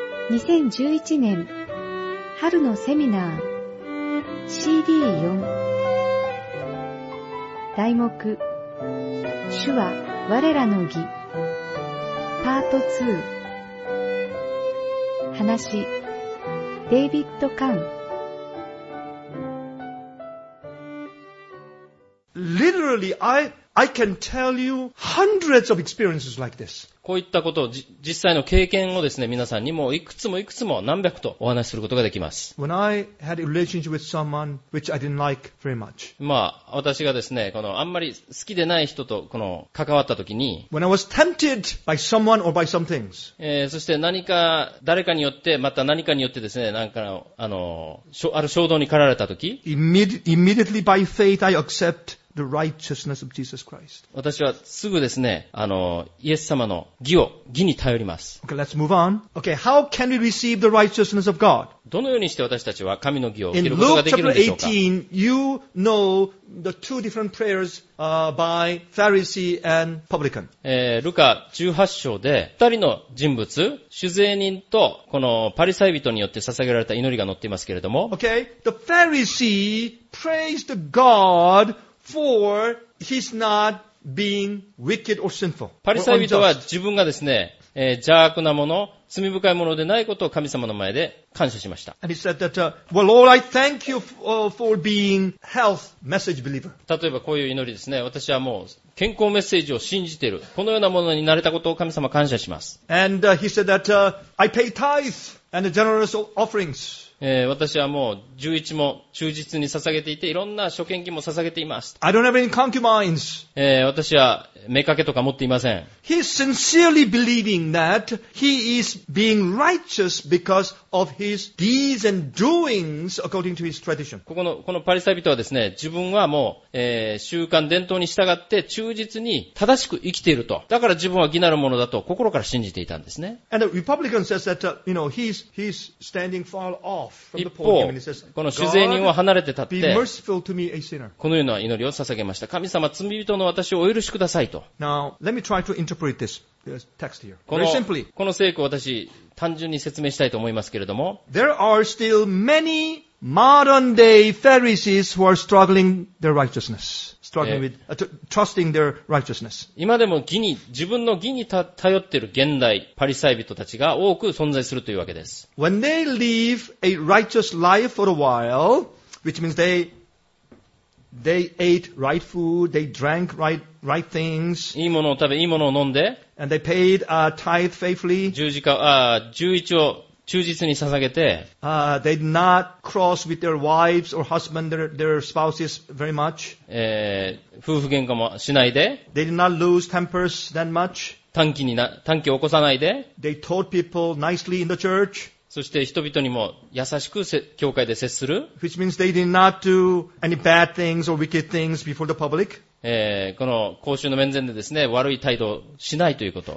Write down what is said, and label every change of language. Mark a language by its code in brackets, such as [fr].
[ja] 2011年春のセミナー CD4 題目主は我らの義パート2話デイビッド・カン [en] Literally, I can tell you hundreds of experiences like this. [ja] こういったことを実際の経験をですね、皆さんにもいくつもいくつも何百とお話しすることができます。 [en] When I had a relationship with someone which I didn't like very much. [ja] まあ、私がですね、このあんまり好きでない人とこの関わったときに、 [en] When I was tempted by someone or by some things. [ja] そして何か誰かによってまた何かによってですね、なんかある衝動に駆られたとき、 [en] Immediately by faith I accept. The righteousness of Jesus Christ. [ja] 私はすぐですね、イエス様の義に頼ります。 [en] Okay, let's move on. Okay, how can we receive the righteousness of God? [ja] どのようにして私たちは神の義を受けることができるんでしょうか? [en] In Luke chapter 18, you know the two different prayers, by Pharisee and publican. [ja] ルカ18章で二人の人物、主税人とこのパリサイ人によって捧げられた祈りが載っていますけれども、 [en] Okay, the Pharisee prays to God. For he's not being wicked or sinful. [ja] パリサイ人は自分がですね、邪悪なもの、罪深いものでないことを神様の前で感謝しました。 [en] And he said that, well, Lord, I thank you for being health message believer. [ja] 例えばこういう祈りですね。私はもう健康メッセージを信じている。このようなものになれたことを神様感謝します。 [en] And he said that, I pay tithes and generous offerings. [ja] 私はもう十一も忠実に捧げていて、いろんな諸献金も捧げています。 [en] I don't have any concubines. [ja] 私は妾とか持っていません。 [en] He's sincerely believing that he is being righteous because of his deeds and doings according to his tradition. [ja] このパリサイ人はですね、自分はもう、習慣伝統に従って忠実に正しく生きていると。だから自分は義なるものだと心から信じていたんですね。 [en] And the Republican says that, you know, he's standing far off. [ja] 一方、この主税人は離れて立って、このような祈りを捧げました。神様、罪人の私をお許しくださいと。この聖句を私、単純に説明したいと思いますけれども、 [en] There are still many modern day Pharisees who are struggling their righteousness. Trusting their righteousness. [ja] 今でも義に自分の義に頼っている現代パリサイ人たちが多く存在するというわけです。 [en] When they live a righteous life for a while, which means they ate right food, they drank right things. [ja] いいものを食べ、いいものを飲んで、 [en] and they paid a tithe faithfully. [ja] 十一を忠実に捧げて、 [en] they did not cross with their wives or husband their spouses very much. [ja] 夫婦喧嘩もしないで、 [en] they did not lose tempers that much. [ja] 短気を起こさないで、 [en] they taught people nicely in the church. [ja] そして人々にも優しく教会で接する、 [en] which means they did not do any bad things or wicked things before the public. [ja] この公衆の面前でですね、悪い態度をしないということ。